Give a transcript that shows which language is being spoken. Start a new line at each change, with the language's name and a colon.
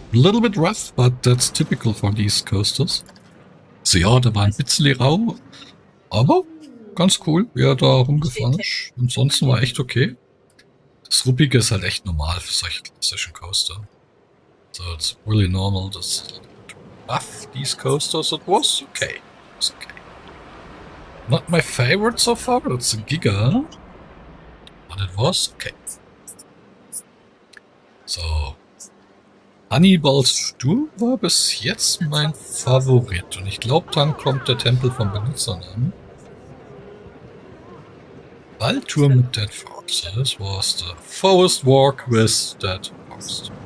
English: A little bit rough, but that's typical for these coasters.
German: So ja, da war ein bisschen rau, aber ganz cool, wie er da rumgefahren ist. Ansonsten war echt okay. Das Ruppige ist halt echt normal für solche klassischen Coaster.
English: So, it's really normal, das rough, these coasters. It was okay. It's okay. Not my favorite so far, but it's a giga. But it was okay.
German: So, Hannibals Stuhl war bis jetzt mein Favorit und ich glaube, dann kommt der Tempel von Benutzern an. Waldtour mit Dead Forest, das war der Forest Walk with Dead Forest.